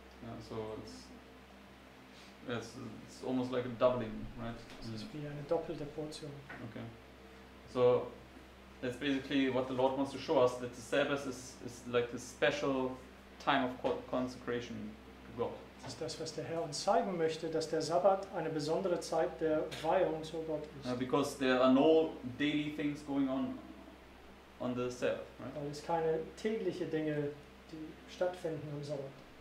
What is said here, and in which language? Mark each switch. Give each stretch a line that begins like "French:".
English: Yeah, so it's almost like a doubling, right?
German: Es ist wie eine doppelte Portion.
English: Okay. So that's basically what the Lord wants to show us, that the Sabbath is like this special time of consecration to God.
German: Das ist das, was der Herr uns zeigen möchte, dass der Sabbat eine besondere Zeit der Weihung zu Gott ist.
English: Because there are no daily things going on the Sabbath, right?
German: Weil es keine tägliche Dinge, die stattfinden am Sabbat.